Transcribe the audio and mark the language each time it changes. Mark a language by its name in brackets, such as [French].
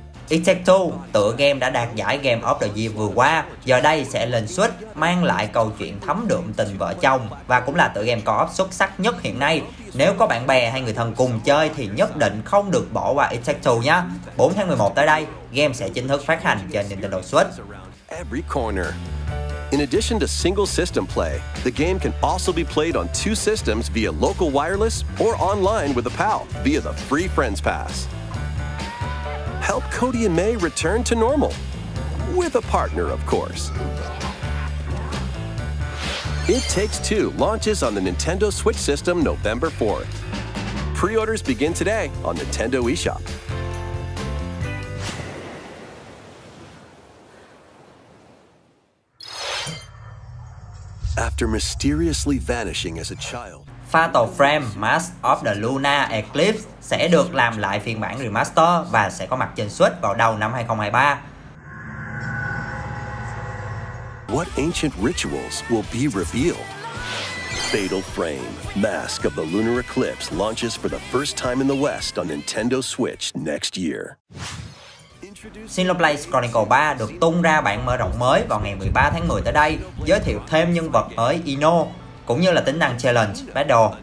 [Vietnamese] It Takes Two, tựa game đã đạt giải Game of the Year vừa qua, giờ đây sẽ lên Switch, mang lại câu chuyện thấm đượm tình vợ chồng và cũng là tựa game co-op xuất sắc nhất hiện nay. Nếu có bạn bè hay người thân cùng chơi thì nhất định không được bỏ qua It Takes Two nhé. 4 tháng 11 tới đây, game sẽ chính thức phát hành trên Nintendo Switch. [English] Every corner. In addition to single system play, the game can also be played on two systems via local wireless or online with a pal via the free friends pass. Help Cody and May return to normal. With a partner, of course. It Takes Two launches on the Nintendo Switch system November 4th. Pre-orders begin today on Nintendo eShop. After mysteriously vanishing as a child, [Vietnamese] Fatal Frame Mask of the Lunar Eclipse sẽ được làm lại phiên bản remaster và sẽ có mặt trên Switch vào đầu năm 2023. [English] What ancient rituals will be revealed? Fatal Frame Mask of the Lunar Eclipse launches for the first time in the West on Nintendo Switch next year. [Vietnamese] Xenoblade Chronicles 3 được tung ra bản mở rộng mới vào ngày 13 tháng 10 tới đây, giới thiệu thêm nhân vật mới Ino, cũng như là tính năng Challenge Battle.